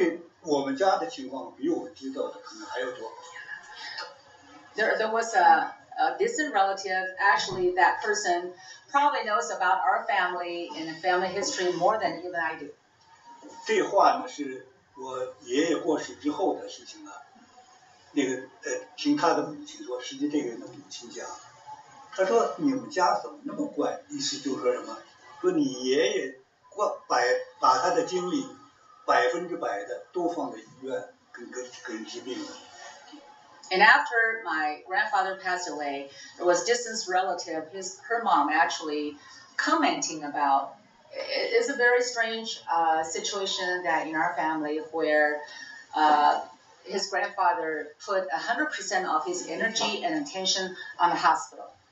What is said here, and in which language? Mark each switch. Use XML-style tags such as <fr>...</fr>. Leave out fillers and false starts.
<zh>我爷爷在世的时候，我刚才听说，我刚才介绍过有一位我们亲戚，实际是没有血缘的亲戚了，他讲的，他对我们家的情况比我知道的可能还要多。</zh> <en>There, was a distant relative, actually that person probably knows about our family and the family history more than even I do.</en> <zh>这话呢是我爷爷过世之后的事情啊，那个听他的母亲说，实际这个人的母亲讲，他说你们家怎么那么怪，意思就是说什么，说你爷爷把他的精力100%的都放在医院跟治病了。</zh> <en>And after my grandfather passed away, there was distant relative, her mom actually commenting about, it's a very strange situation that in our family where his grandfather put 100% of his energy and attention on the hospital.</en>